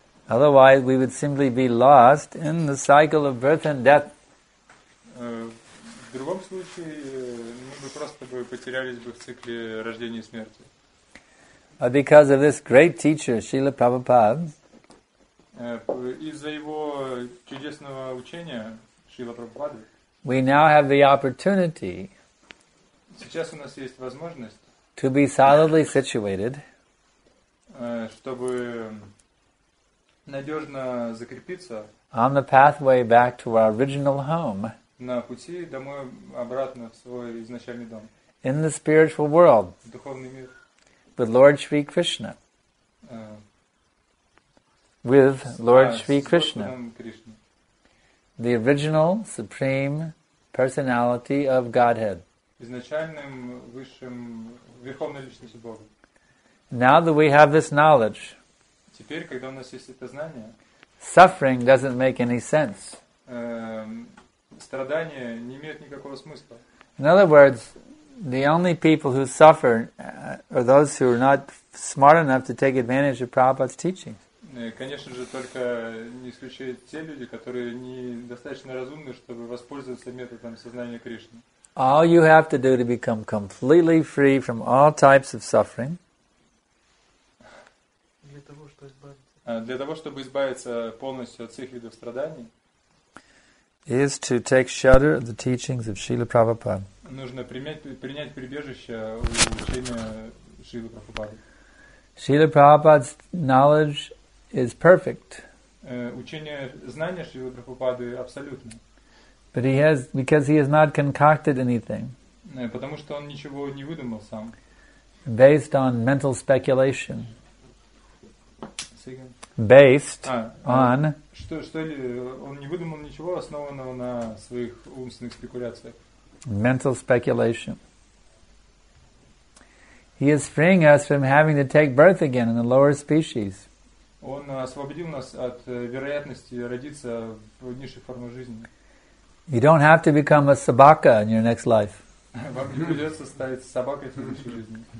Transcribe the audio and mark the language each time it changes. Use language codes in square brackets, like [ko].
[en] Otherwise, we would simply be lost in the cycle of birth and death. [ru] В другом случае мы просто бы потерялись бы в цикле рождения и смерти. [en] Because of this great teacher, Srila Prabhupada. [ru] Из-за его чудесного учения Шрила Прабхупады. [en] We now have the opportunity. [ru] Сейчас у нас есть возможность. [en] To be solidly situated. [ru] Чтобы надежно закрепиться. [en] On the pathway back to our original home. [ru] На пути домой обратно в свой изначальный дом. [en] In the spiritual world. [ru] В духовный мир. [en] With Lord Shri Krishna. With Lord Shri Krishna. The original supreme personality of Godhead. [ru] Изначальным высшим верховной личностью Бога. [en] Now that we have this knowledge. [ru] Теперь, когда у нас есть это знание. [en] Suffering doesn't make any sense. [ru] Страдания не имеют никакого смысла. [en] In other words, the only people who suffer are those who are not smart enough to take advantage of Prabhupada's teachings. [ru] Конечно же, только не исключают те люди, которые недостаточно разумны, чтобы воспользоваться методом сознания Кришны. [en] All you have to do to become completely free from all types of suffering. [ru] Для того, чтобы избавиться полностью от всех видов страданий. [en] Is to take shelter of the teachings of Srila Prabhupada. [ru] Нужно принять прибежище у учения Шрилы Прабхупады. [en] Srila Prabhupada's knowledge is perfect. [ru] Учение знания Шрилы Прабхупады абсолютно. [en] But he has, because he has not concocted anything. [ru] Потому что он ничего не выдумал сам. [en] Based on mental speculation. Second. Based on. [ru] Что ли, он не выдумал ничего, основанного на своих умственных спекуляциях. [en] Mental speculation. He is freeing us from having to take birth again in the lower species. [ru] Он освободил нас от вероятности родиться в низшей форме жизни. [en] You don't have to become a [ru] собака [en] in your next life. [ru] Вам не придется стать собакой в следующей жизни.